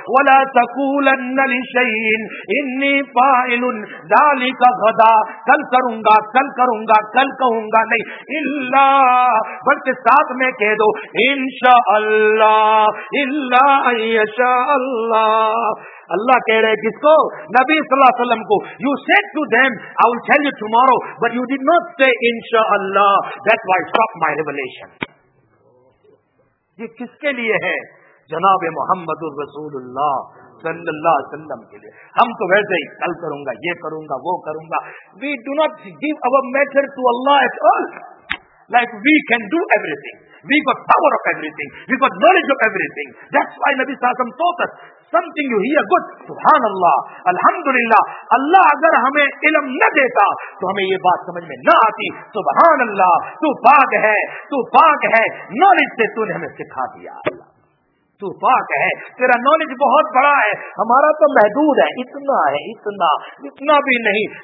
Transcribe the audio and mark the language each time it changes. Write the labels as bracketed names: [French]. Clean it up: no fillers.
[Arabic] ولا تقولن لشيء انی فاعل ذلك غدا, [Urdu] کل کروں گا, کل کروں گا, کل کہوں گا, نہیں. الا, بلکہ ساتھ میں کہہ دو انشاء اللہ, [Arabic] الا یشاء اللہ. [Urdu] اللہ کہہ رہے کس کو؟ نبی صلی اللہ علیہ وسلم کو. [English] You said to them, I will tell you tomorrow, but you did not say انشاء اللہ. That's why stop my revelation. [Urdu] یہ کس کے لیے ہے؟ جناب محمد الرسول اللہ صلی اللہ علیہ وسلم کے لیے. ہم تو ویسے ہی کل کروں گا, یہ کروں گا, وہ کروں گا. [English] We do not give our matter to Allah at all. Like we can do everything. We got power of everything. We got knowledge of everything. That's why Nabi Sallallahu Alaihi Wasallam taught us. Something you hear good. Subhanallah. Alhamdulillah. [Urdu] Allah agar ہمیں علم نہ دیتا تو ہمیں یہ بات سمجھ میں نہ آتی. Subhanallah. تو پاک ہے. تو پاک ہے. Knowledge سے تو نے ہمیں سکھا دیا. تو پاک ہے, تیرا نالج بہت بڑا ہے, ہمارا تو محدود ہے, اتنا ہے, اتنا اتنا بھی نہیں.